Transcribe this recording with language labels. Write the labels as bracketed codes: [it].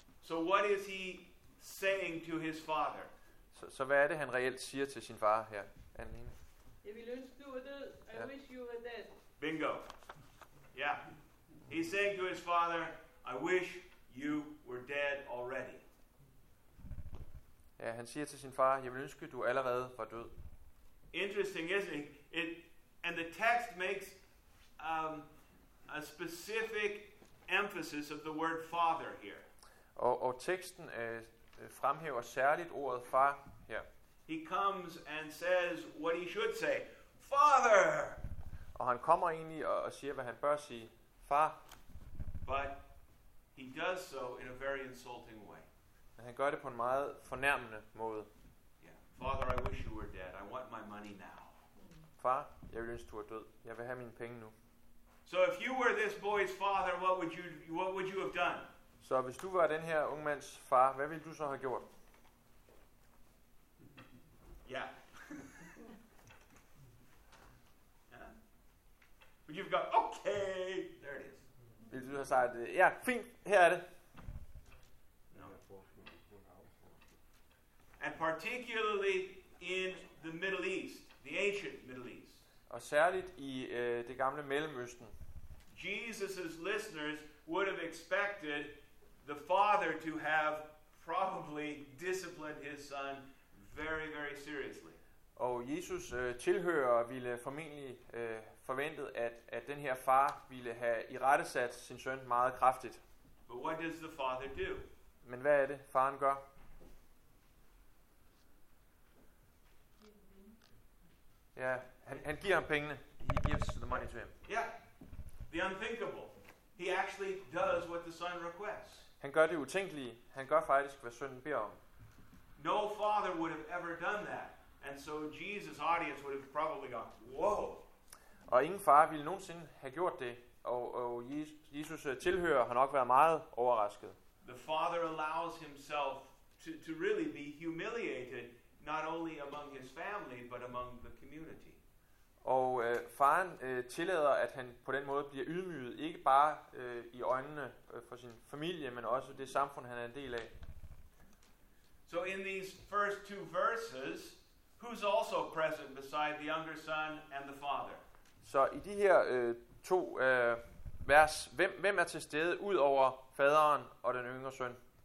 [en] So what is he saying to his father? [da] Så hvad er det han reelt siger til sin far her? Anne Line. Jeg vil ønske du var død. [en] I wish you were dead. Bingo. Yeah. He's saying to his father, I wish you were dead already. [da] Ja, han siger til sin far, jeg vil ønske du allerede var død. [en] Interesting, isn't it? And the text makes a specific emphasis of the word father here. [da] Og teksten fremhæver særligt ordet far her. [en] He comes and says what he should say, father. [da] Og han kommer egentlig og siger hvad han bør sige, far. [en] But he does so in a very insulting way. [da] Men han gør det på en meget fornærmende måde. [en] Yeah. Father, I wish you were dead. I want my money now. [da] Far, jeg vil ønske du er død. Jeg vil have mine penge nu. [en] So if you were this boy's father, what would you have done? [da] Så hvis du var den her unge mands far, hvad ville du så have gjort? Ja. Ja. [en] Would you have gone, okay, there it is. [da] Ville du have sagt, ja, fint, her er det. [en] And particularly in the Middle East, the ancient Middle East. [da] Og særligt i det gamle Mellemøsten. [en] Jesus's listeners would have expected the father to have probably disciplined his son very, very seriously. [da] Og Jesus tilhører ville formentlig forventet at den her far ville have irettesat sin søn meget kraftigt. [en] But what does the father do? [da] Men hvad er det faren gør? Ja, han giver ham pengene. [en] He gives the money to him. Yeah, the unthinkable. He actually does what the son requests. [da] Han gør det utænkelige. Han gør faktisk, hvad sønnen beder om. [en] No father would have ever done that. And so Jesus' audience would have probably gone, whoa. [da] Og ingen far ville nogensinde have gjort det. Og Jesus' tilhører har nok været meget overrasket. [en] The father allows himself to really be humiliated, not only among his family, but among the community. [da] Og faren tillader, at han på den måde bliver ydmyget, ikke bare i øjnene for sin familie, men også det samfund, han er en del af. [en] So in these first two verses, who's also present beside the younger son and the father? [da] Så i de her to vers, hvem er til stede ud over faderen og den yngre søn?